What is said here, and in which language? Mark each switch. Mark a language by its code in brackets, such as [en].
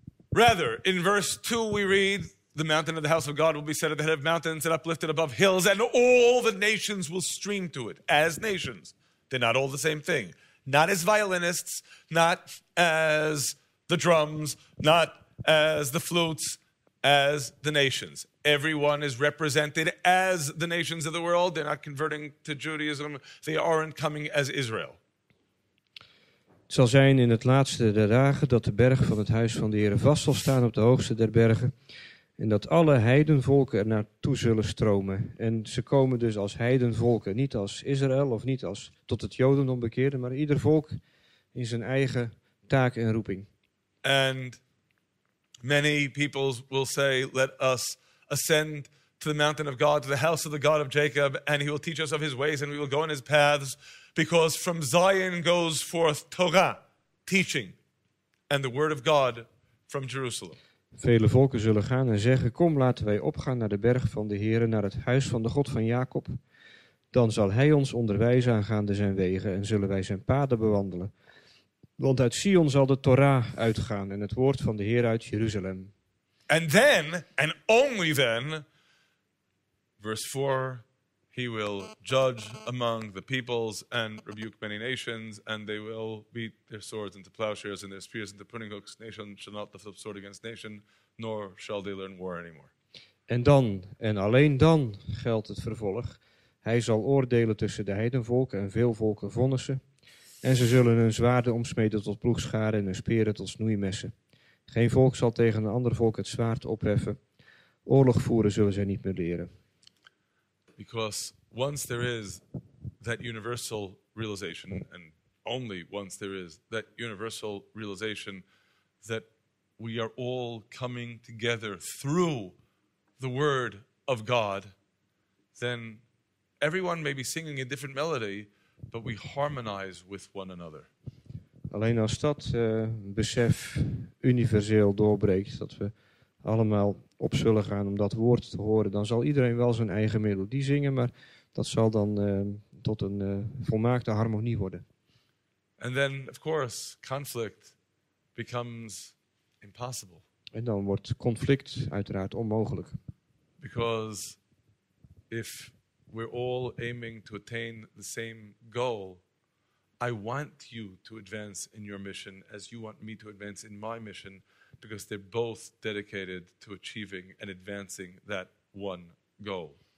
[en] Rather, in verse 2 we read, the mountain of the house of God will be set at the head of mountains and uplifted above hills, and all the nations will stream to it, as nations. They're not all the same thing. Not as violinists, not as the drums, not as the flutes, as the nations. Everyone is represented as the nations of the world. They're not converting to Judaism. They aren't coming as Israel. [nl] Het zal zijn in het laatste der dagen dat de berg van het huis van de Heere vast zal staan op de hoogste der bergen. En dat alle heidenvolken er naartoe zullen stromen. En ze komen dus als heidenvolken, niet als Israël of niet als tot het Jodendom bekeerde, maar ieder volk in zijn eigen taak en roeping. [en] And many peoples will say, let us ascend to the mountain of God, to the house of the God of Jacob, and he will teach us of his ways and we will go in his paths. Because from Zion goes forth Torah, teaching, and the word of God from Jerusalem. [nl] Vele volken zullen gaan en zeggen, kom laten wij opgaan naar de berg van de Heere, naar het huis van de God van Jacob. Dan zal hij ons onderwijzen aangaande zijn wegen en zullen wij zijn paden bewandelen. Want uit Sion zal de Torah uitgaan en het woord van de Heer uit Jeruzalem. [en] And then, and only then, verse 4, he will judge among the peoples and rebuke many nations, and they will beat their swords into plowshares and their spears into pruning hooks. Nation shall not lift up sword against nation, nor shall they learn war anymore. [nl] En dan, en alleen dan, geldt het vervolg. Hij zal oordelen tussen de heidenvolken en veel volken vonnissen. En ze zullen hun zwaarden omsmeden tot ploegscharen en hun speren tot snoeimessen. Geen volk zal tegen een ander volk het zwaard opheffen. Oorlog voeren zullen zij niet meer leren. [en] Because once there is that universal realization, and only once there is that universal realization that we are all coming together through the word of God, then everyone may be singing a different melody, but we harmonize with one another. [nl] Alleen als dat besef universeel doorbreekt, dat we allemaal op zullen gaan om dat woord te horen, dan zal iedereen wel zijn eigen melodie zingen, maar dat zal dan tot een volmaakte harmonie worden. [en] And then, of course, conflict becomes impossible. [nl] En dan wordt conflict uiteraard onmogelijk. [en] Because if we're all aiming to attain the same goal, I want you to advance in your mission as you want me to advance in my mission, because they're both dedicated to achieving and advancing that one goal.